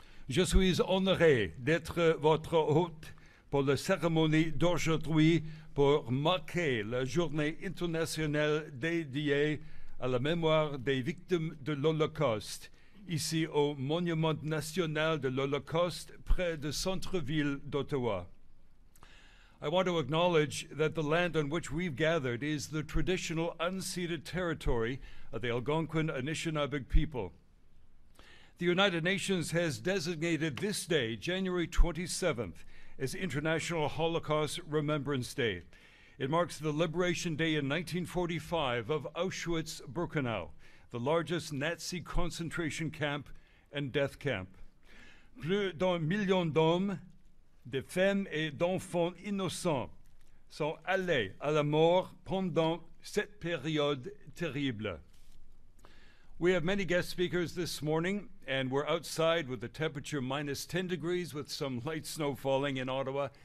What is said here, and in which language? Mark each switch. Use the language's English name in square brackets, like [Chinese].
[French] Je suis honoré d'être votre hôte pour la cérémonie d'aujourd'hui pour marquer la journée internationale dédiée à la mémoire des victimes de l'Holocauste, ici au Monument National de l'Holocauste près de centre-ville d'Ottawa. [English] I want to acknowledge that the land on which we've gathered is the traditional unceded territory of the Algonquin Anishinabeg people. The United Nations has designated this day, January 27th, as International Holocaust Remembrance Day. It marks the Liberation Day in 1945 of Auschwitz-Birkenau, the largest Nazi concentration camp and death camp. [French] Plus d'un million d'hommes, de femmes et d'enfants innocents sont allés à la mort pendant cette période terrible. [English] We have many guest speakers this morning, and we're outside with the temperature minus 10 degrees with some light snow falling in Ottawa.